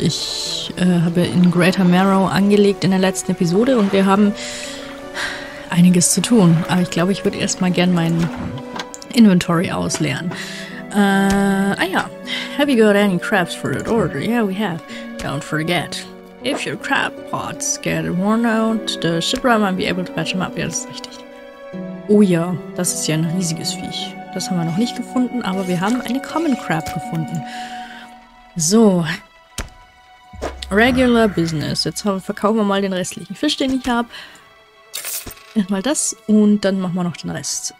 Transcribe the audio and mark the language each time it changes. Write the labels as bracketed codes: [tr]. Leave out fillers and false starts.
[de] Ich habe in Greater Marrow angelegt in der letzten Episode und wir haben einiges zu tun. Aber ich glaube, ich würde erstmal gern mein Inventory ausleeren. [en] Have you got any crabs for that order? Yeah, we have. Don't forget. If your crab pots get worn out, the shipwright might be able to patch them up. [de] Ja, das ist richtig. Oh ja, das ist ja ein riesiges Viech. Das haben wir noch nicht gefunden, aber wir haben eine Common Crab gefunden. So. Regular Business. Jetzt verkaufen wir mal den restlichen Fisch, den ich habe. Erstmal das und dann machen wir noch den Rest.